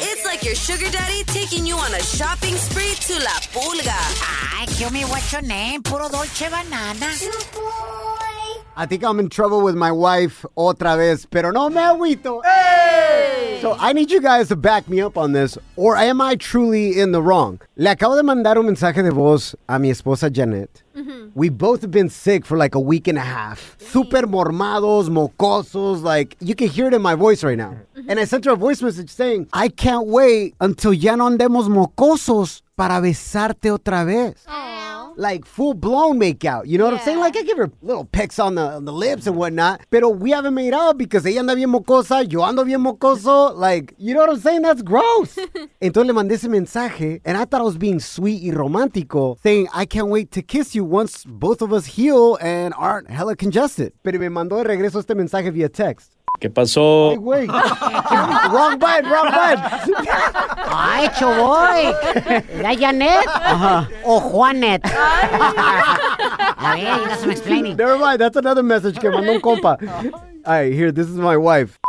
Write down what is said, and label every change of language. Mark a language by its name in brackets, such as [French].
[English] It's like your sugar daddy taking you on a shopping spree to La Pulga. Ay, kill me, what's your name? Puro Dolce Banana. Shaboy. I think I'm in trouble with my wife [Spanish] otra vez, pero no me agüito. [English] Hey! So I need you guys to back me up on this, or am I truly in the wrong? [Spanish] Le acabo de mandar un mensaje de voz a mi esposa Janet. Mm-hmm. [English] We both have been sick for like a week and a half. [Spanish] Super mormados, mocosos, [English] like you can hear it in my voice right now. Mm-hmm. And I sent her a voice message saying, I can't wait until [Spanish] ya no andemos mocosos para besarte otra vez. Aww. [English] Like full-blown makeout, you know what I'm saying? Like I give her little pecks on the lips and whatnot. [Spanish] Pero [English] we haven't made out because [Spanish] ella anda bien mocosa, yo ando bien mocoso. [English] Like, you know what I'm saying? That's gross. [Spanish] Entonces le mandé ese mensaje, [English] and I thought I was being sweet [Spanish] y romántico, [English] saying I can't wait to kiss you once both of us heal and aren't hella congested. [Spanish] Pero me mandó de regreso este mensaje via text. ¿Qué pasó? [English] Hey, wait. Wrong button, wrong button. [Spanish] Ay, Choboy. ¿La Janet? Uh-huh. ¿O Juanet? Ay. A ver, [English] you got some explaining. Never mind, that's another message [Spanish] que mandó un compa. [English] All right, here, this is my wife.